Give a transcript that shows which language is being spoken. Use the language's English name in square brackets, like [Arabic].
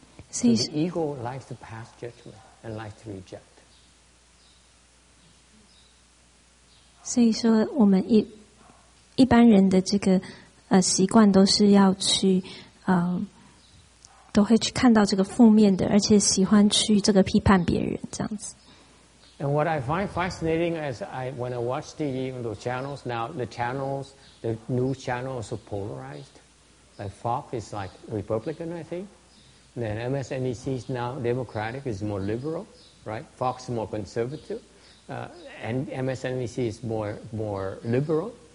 [English] So the ego likes to pass judgment and likes to reject. [Chinese] 所以说我们一般人的这个习惯都是要去都会去看到这个负面的，而且喜欢去这个批判别人这样子。 [English] And what I find fascinating is when I watch the channels, now the new channels are so polarized. Like Fox is like Republican, I think. And then MSNBC is now Democratic, is more liberal, right? Fox is more conservative. And MSNBC is more liberal.